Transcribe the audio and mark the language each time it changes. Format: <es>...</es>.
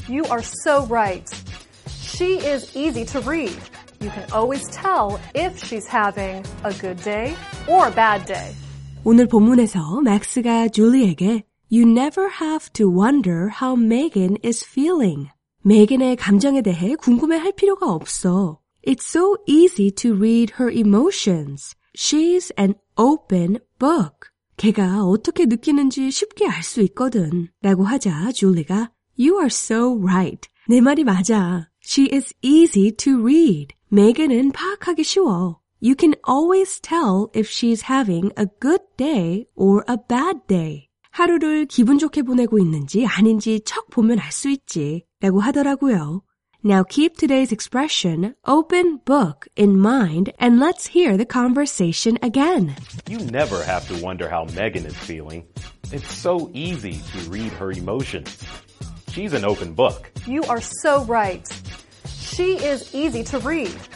<en>You are so right. She is easy to read. You can always tell if she's having a good day or a bad day.</en> <ko>오늘 본문에서 맥스가 줄리에게</ko> <en>You never have to wonder how Megan is feeling.</en> <ko>메건의 감정에 대해 궁금해할 필요가 없어.</ko> <en>It's so easy to read her emotions. She's an open book.</en> <ko>걔가 어떻게 느끼는지 쉽게 알 수 있거든. 라고 하자 줄리가</ko> <en>You are so right.</en> <ko>내 말이 맞아.</ko> <en>She is easy to read.</en> <ko>메건은 파악하기 쉬워.</ko> <en>You can always tell if she's having a good day or a bad day.</en> <ko>하루를 기분 좋게 보내고 있는지 아닌지 척 보면 알 수 있지 라고 하더라고요.</ko> <en>Now keep today's expression, open book, in mind and let's hear the conversation again. You never have to wonder how Megan is feeling. It's so easy to read her emotions. She's an open book. You are so right. She is easy to read.</en>